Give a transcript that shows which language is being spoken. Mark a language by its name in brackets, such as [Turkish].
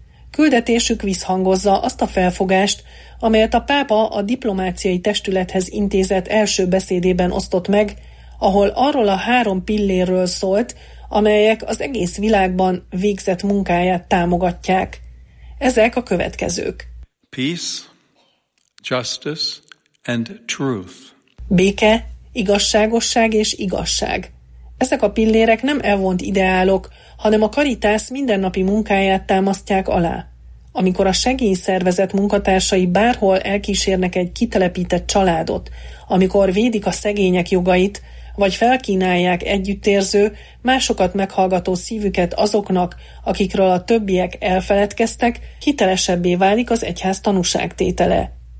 [Hungarian] Küldetésük visszhangozza azt a felfogást, amelyet a pápa a diplomáciai testülethez intézett első beszédében osztott meg, ahol arról a három pillérről szólt, amelyek az egész világban végzett munkáját támogatják. Ezek a következők. [English] Peace, justice and truth. [Hungarian] Béke, igazságosság és igazság. Ezek a pillérek nem elvont ideálok, hanem a Caritas mindennapi munkáját támasztják alá. Amikor a segélyszervezet munkatársai bárhol elkísérnek egy kitelepített családot, amikor védik a szegények jogait, vagy felkínálják együttérző, másokat meghallgató szívüket azoknak, akikről a többiek elfeledkeztek, hitelesebbé válik az egyház tanúságtétele.